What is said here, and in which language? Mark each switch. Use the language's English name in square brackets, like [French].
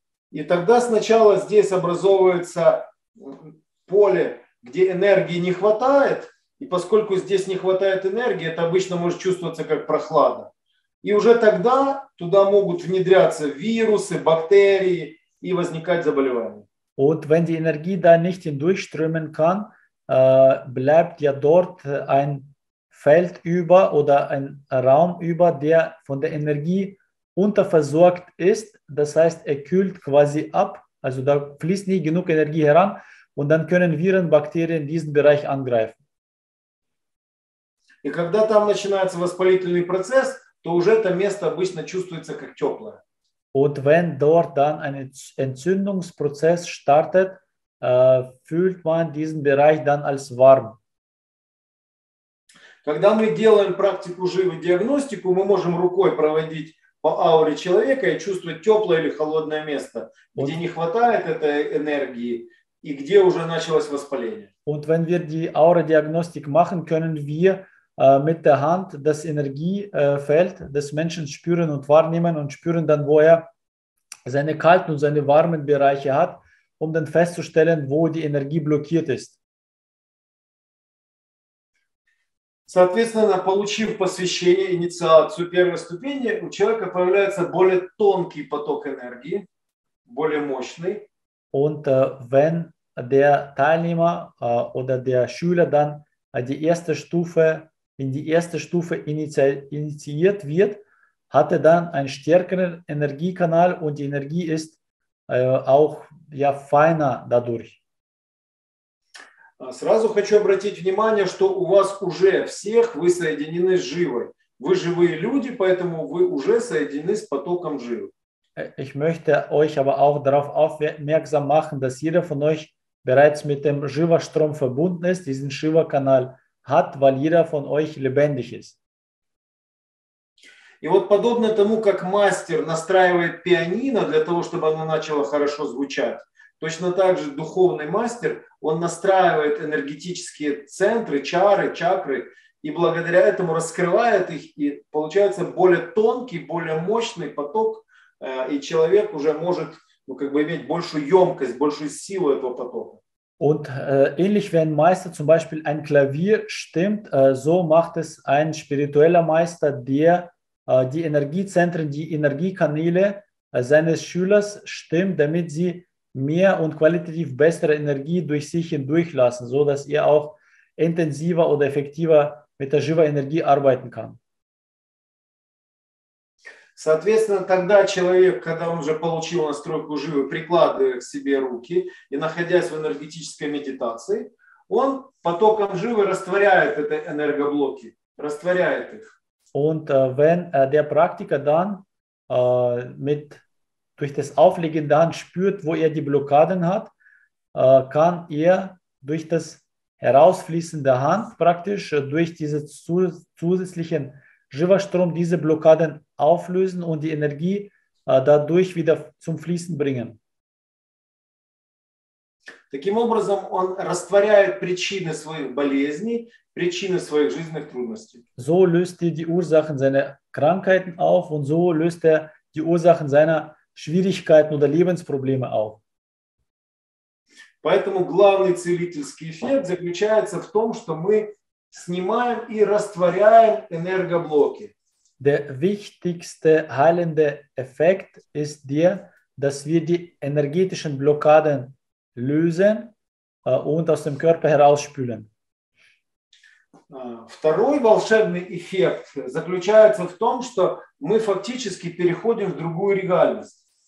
[Russian] И тогда сначала здесь образовывается поле, где энергии не хватает, и поскольку здесь не хватает энергии, это обычно может чувствоваться как прохлада. И уже тогда туда могут внедряться вирусы, бактерии и возникать заболевания. [German] Und wenn die Energie da nicht hindurchströmen kann, bleibt ja dort ein Feld über oder ein Raum über, der von der Energie unterversorgt ist. Das heißt, er kühlt quasi ab. Also da fließt nie genug Energie heran. Und dann können Viren, Bakterien diesen Bereich angreifen. [Russian] И когда там начинается воспалительный процесс, то уже это место обычно чувствуется как теплое. [German] Und wenn dort dann ein Entzündungsprozess startet, fühlt man diesen Bereich dann als warm. [Russian] Когда мы делаем практику живой диагностику, мы можем рукой проводить по ауре человека и чувствовать теплое или холодное место, und, где не хватает этой энергии и где уже началось воспаление. [German] Und wenn wir die Aura-Diagnostik machen, können wir mit der Hand das Energiefeld des Menschen spüren und wahrnehmen und spüren dann, wo er seine kalten und seine warmen Bereiche hat, um dann festzustellen, wo die Energie blockiert ist. [Russian] Соответственно, получив посвящение, инициацию первой ступени, у человека появляется более тонкий поток энергии, более мощный. [German] Und wenn der Teilnehmer oder der Schüler dann die erste Stufe, in die erste Stufe initiiert wird, hat er dann einen stärkeren Energiekanal und die Energie ist auch ja feiner dadurch. [Russian] Сразу хочу обратить внимание, что у вас уже всех вы соединены с живой. Вы живые люди, поэтому вы уже соединены с потоком жизни. [German] Ich möchte euch aber auch darauf aufmerksam machen, dass jeder von euch bereits mit dem Shiva-Strom verbunden ist, diesen Shiva-Kanal hat, weil jeder von euch lebendig ist. [Russian] И вот подобно тому, как мастер настраивает пианино для того, чтобы оно начало хорошо звучать, точно так же духовный мастер, он настраивает энергетические центры, чары, чакры, и благодаря этому раскрывает их, и получается более тонкий, более мощный поток, и человек уже может, ну, как бы иметь большую емкость, большую силу этого потока. [German] Und ähnlich wie ein Meister zum Beispiel ein Klavier stimmt, so macht es ein spiritueller Meister, der die Energiezentren, die Energiekanäle seines Schülers stimmt, damit sie mehr und qualitativ bessere Energie durch sich hindurchlassen, so dass er auch intensiver oder effektiver mit der Shiva-Energie arbeiten kann. [Russian] Соответственно, тогда человек, когда он уже получил настройку живы, прикладывая к себе руки и находясь в энергетической медитации, он потоком живы растворяет эти энергоблоки, растворяет их. [German] Und wenn der Praktiker dann durch das Auflegen dann spürt, wo er die Blockaden hat, kann er durch das Herausfließen der Hand praktisch durch diese zusätzlichen Shiva-Strom diese Blockaden auflösen und die Energie dadurch wieder zum Fließen bringen. [Russian] Таким образом, он растворяет причины своих болезней, причины своих жизненных трудностей. [German] So löst er die Ursachen seiner Krankheiten auf und so löst er die Ursachen seiner Schwierigkeiten oder Lebensprobleme auf. [Russian] Поэтому главный целительский эффект заключается в том, что мы снимаем и растворяем энергоблоки. [German] Der wichtigste heilende Effekt ist der, dass wir die energetischen Blockaden lösen und aus dem Körper herausspülen. [Russian] Второй волшебный эффект заключается в том, что мы фактически переходим в другую реальность.